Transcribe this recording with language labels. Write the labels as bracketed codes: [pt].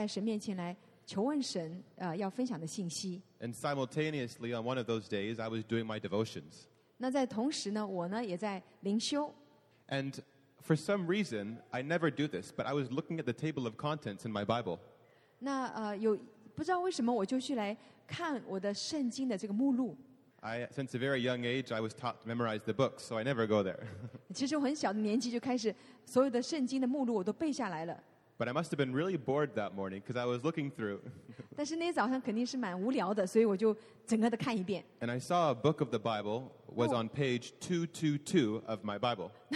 [zh] 那在一整周呢，爸爸妈妈就来在神面前来求问神，要分享的信息。 [en] And simultaneously, on one of those days, I was doing my devotions. [zh] 那在同时呢，我呢也在灵修。 [en] And for some reason, I never do this, but I was looking at the table of contents in my Bible. [zh] 那不知道为什么我就去来看我的圣经的这个目录。 [en] Since a very young age, I was taught to memorize the books, so I never go there. [zh] 其实我很小的年纪就开始所有的圣经的目录我都背下来了。 [en] But I must have been really bored that morning because I was looking through. [zh] 但是那天早上肯定是蛮无聊的，所以我就整个的看一遍。 [en] And I saw a book of the Bible was on page 222 of my Bible.